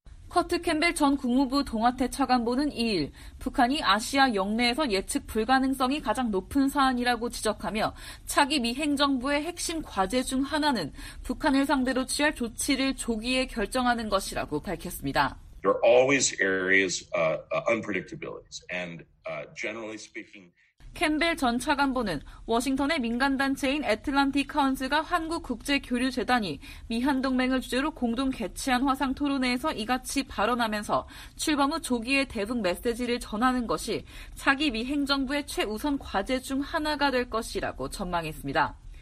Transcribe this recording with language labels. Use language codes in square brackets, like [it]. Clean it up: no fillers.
[ko] 커트 캠벨 전 국무부 동아태 차관보는 2일 북한이 아시아 영내에서 예측 불가능성이 가장 높은 사안이라고 지적하며 차기 미 행정부의 핵심 과제 중 하나는 북한을 상대로 취할 조치를 조기에 결정하는 것이라고 밝혔습니다. [en] There are always areas of unpredictabilities and generally speaking [ko] 캠벨 전 차관보는 워싱턴의 민간단체인 애틀란틱 카운스가 한국국제교류재단이 미한동맹을 주제로 공동 개최한 화상토론회에서 이같이 발언하면서 출범 후 조기의 대북 메시지를 전하는 것이 차기 미 행정부의 최우선 과제 중 하나가 될 것이라고 전망했습니다.